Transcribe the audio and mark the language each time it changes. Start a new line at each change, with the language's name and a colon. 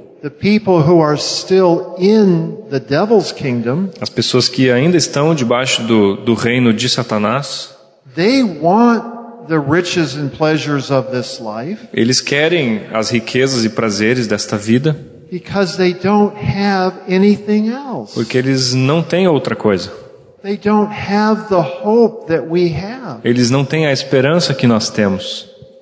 English: the people who are still in the devil's kingdom,
Portuguese: as pessoas que ainda estão debaixo do reino de Satanás,
English: they want the riches and pleasures of this life,
Portuguese: eles querem as riquezas e prazeres desta vida,
English: because they don't have anything else,
Portuguese: porque eles não têm outra coisa.
English: They don't have the hope that we have.
Portuguese: Eles não têm a esperança que nós temos.